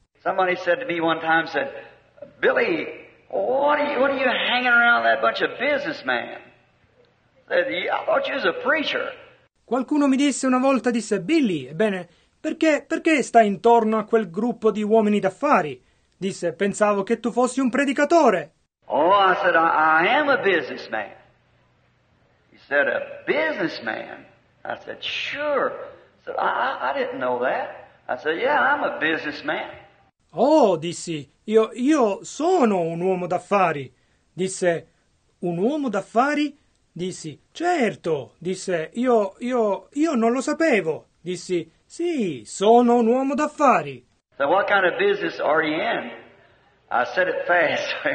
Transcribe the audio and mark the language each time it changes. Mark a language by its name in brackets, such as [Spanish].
[English] Somebody said to me one time, said, Billy, what are you hanging around that bunch of businessmen? I thought you was a preacher. [Italian] Qualcuno mi disse una volta, disse, Billy, ebbene, perché stai intorno a quel gruppo di uomini d'affari? Disse, pensavo che tu fossi un predicatore. [English] Oh, I said, I am a businessman. He said, a businessman? I said, sure. I said, I didn't know that. I said, yeah, I'm a businessman. [Italian] Oh, dissi, io sono un uomo d'affari. Disse, un uomo d'affari? Dissi, certo, disse, io non lo sapevo. Dissi, sì, sono un uomo d'affari. [English] So what kind of business are you in? I said it fast.